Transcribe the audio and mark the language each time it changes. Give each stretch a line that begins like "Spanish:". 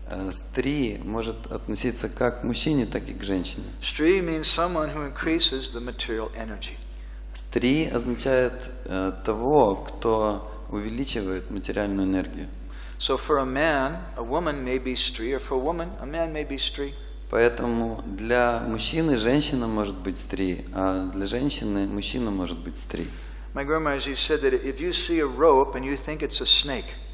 Russian: Стри может относиться как к мужчине, так и к женщине.
English: Stri means someone who increases the material energy.
Russian: Стри означает того, кто увеличивает материальную энергию.
English: So for a man, a woman may be stri, or for a woman, a man may be stri.
Russian: Поэтому для мужчины женщина может быть стри, а для женщины мужчина может быть стри.
English: My Guru Maharaj said that if you see a rope and you think it's a snake.